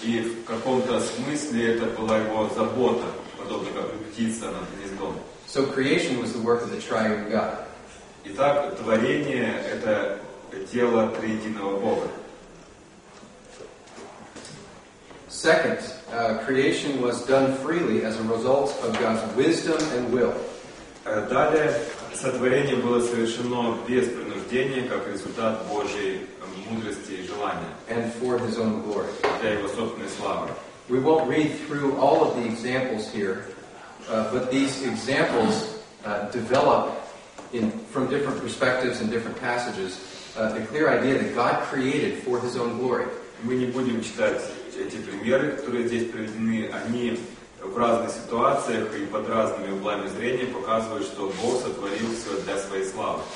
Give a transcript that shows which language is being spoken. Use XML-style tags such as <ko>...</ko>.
<ru>И в каком-то смысле это была его забота, подобно как птица над гнездом.</ru> <en>So creation was the work of the triune God.</en> <ru>Итак, творение – это дело триединого Бога.</ru> <en>Second, creation was done freely as a result of God's wisdom and will.</en> <ru>Далее, сотворение было совершено без принуждения, как результат Божьей мудрости и желания.</ru> <en>And for His own glory.</en> <ru>Для Его собственной славы.</ru> <en>We won't read through all of the examples here, but these examples develop from different perspectives and different passages the clear idea that God created for His own glory.</en> <ru>Мы не будем читать эти примеры, которые здесь приведены, они в разных ситуациях и под разными углами зрения показывают, что Бог сотворил все для своей славы.</ru>